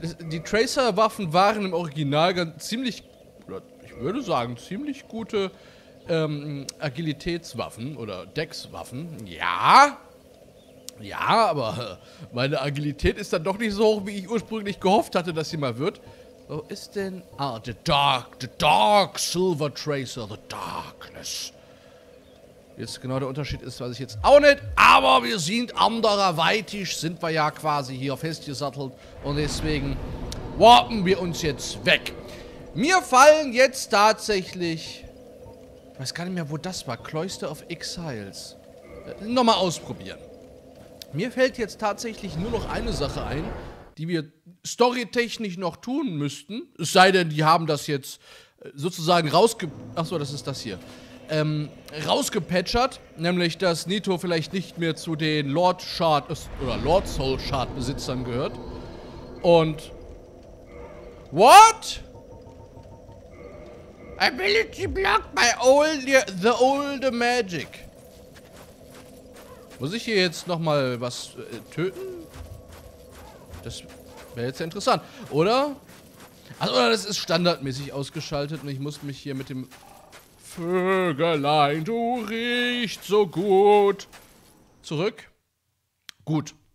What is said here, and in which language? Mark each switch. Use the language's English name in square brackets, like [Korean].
[German] Die Tracer-Waffen waren im Original ganz ziemlich. Ich würde sagen, ziemlich gute Agilitätswaffen oder Dex-Waffen. Ja. Ja, aber meine Agilität ist dann doch nicht so hoch, wie ich ursprünglich gehofft hatte, dass sie mal wird. Wo ist denn... [English] Ah, the dark silver tracer, the darkness. [German] Jetzt genau der Unterschied ist, weiß ich jetzt auch nicht. Aber wir sind anderweitig, sind wir ja quasi hier festgesattelt. Und deswegen warpen wir uns jetzt weg. Mir fallen jetzt tatsächlich... Ich weiß gar nicht mehr, wo das war. Cloister of Exiles. Nochmal ausprobieren. Mir fällt jetzt tatsächlich nur noch eine Sache ein, die wir storytechnisch noch tun müssten. Es sei denn, die haben das jetzt sozusagen Achso, das ist das hier. Rausgepatchert. Nämlich, dass Nito vielleicht nicht mehr zu den Lord Shard oder Lord Soul Shard Besitzern gehört. Und... What? [English] Ability blocked by the old magic. [German] Muss ich hier jetzt nochmal was töten? Das wäre jetzt ja interessant, oder? Also das ist standardmäßig ausgeschaltet und ich muss mich hier mit dem Vögelein, du riechst so gut. Zurück. Gut.